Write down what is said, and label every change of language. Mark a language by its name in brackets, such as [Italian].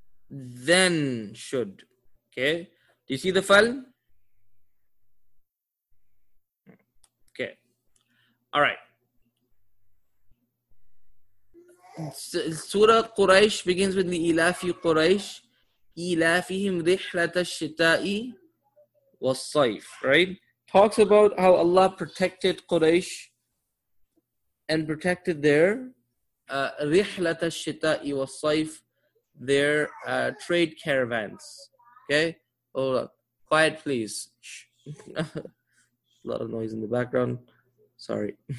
[English] Then should. Okay. Do you see the fal? Okay. All right. Surah Quraysh begins with the ilafi Quraysh. [Arabic] إِلَافِهِمْ رِحْلَةَ الشِّتَاءِ وَالصَّيْفِ, right? [English] Talks about how Allah protected Quraysh and protected their [Arabic] رِحْلَةَ الشِّتَاءِ وَالصَّيْفِ, [English] their trade caravans. Okay? Hold up. Quiet, please. A lot of noise in the background. Sorry.